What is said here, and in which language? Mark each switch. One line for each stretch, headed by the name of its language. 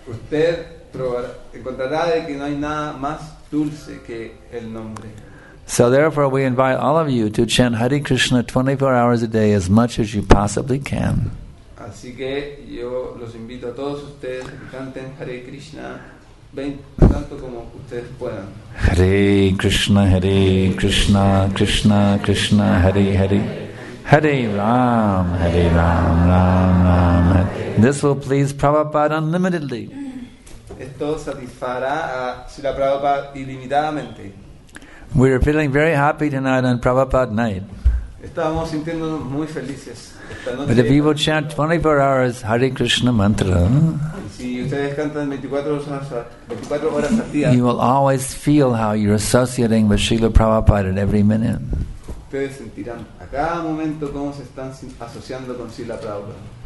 English: So therefore we invite all of you to chant Hare Krishna 24 hours a day as much as you possibly can.
Spanish: Así que yo los invito a todos ustedes que canten Hare Krishna tanto como ustedes puedan.
Sanskrit: Hare Krishna, Krishna, Krishna, Hare Hare. Hare Ram, Hare Ram, Ram Ram.
English: This will please Prabhupada unlimitedly.
Spanish: Esto satisfará a Srila Prabhupada ilimitadamente.
English: We are feeling very happy tonight on Prabhupada night.
Spanish: Estábamos sintiéndonos muy felices. Esta
English: noche, but if you would chant 24 hours Hare Krishna mantra,
Spanish: si ustedes cantan 24 horas al día,
English: you will always feel how you're associating with Srila Prabhupada at every minute.
Spanish: Ustedes sentirán a cada momento cómo se están asociando con Srila Prabhupada.